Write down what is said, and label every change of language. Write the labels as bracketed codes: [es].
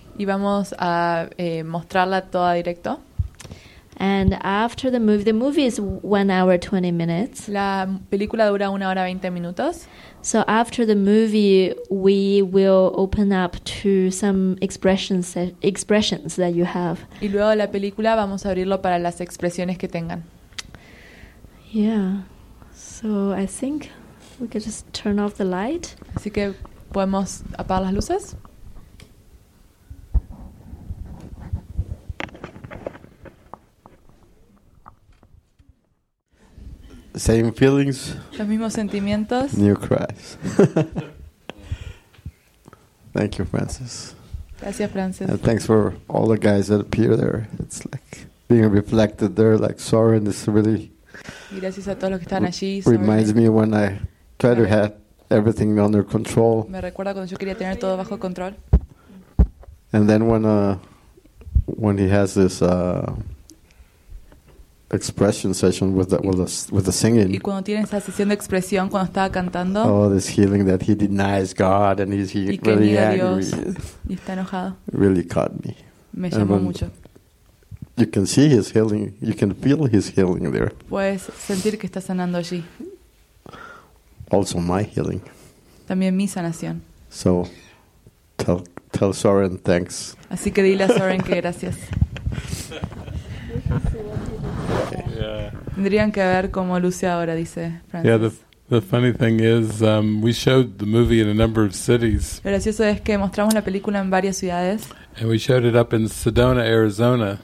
[es] Y vamos a mostrarla toda directo. [en] And after the movie is 1 hour 20 minutes. [es] La película dura 1 hora 20 minutos. [en] So after the movie, we will open up to some expressions that you have. [es] Y luego de la película vamos a abrirlo para las expresiones que tengan. [en] Yeah. So I think we could just turn off the light. [es] Así que podemos apagar las luces. [en] Same feelings. [es] Los mismos sentimientos. [en] New cries. Thank you, Francis. [es] Gracias, Francis. [en] And thanks for all the guys that appear there. It's like being reflected there, like Soren. This really. [es] Y gracias a todos los que están allí. [en] Reminds me when I try to have everything under control. [es] Me recuerda cuando yo quería tener todo bajo control. [en] And then when he has this. Expression session with the singing. [es] Y cuando tiene esa sesión de expresión cuando estaba cantando. [en] Oh, this healing that he denies God and he's really angry. [es] Y está enojado. [en] Really caught me. [es] Me llamó mucho. [en] You can see his healing. You can feel his healing there. [es] Puedes sentir que está sanando allí. [en] Also my healing. [es] También mi sanación. [en] So, tell Soren thanks. [es] Así que dile a Soren que gracias. Tendrían que ver cómo luce ahora, dice Francis. [en] Yeah, the funny thing is, we showed the movie in a number of cities. [es] Lo gracioso es que mostramos la película en varias ciudades. [en] And we showed it up in Sedona, Arizona.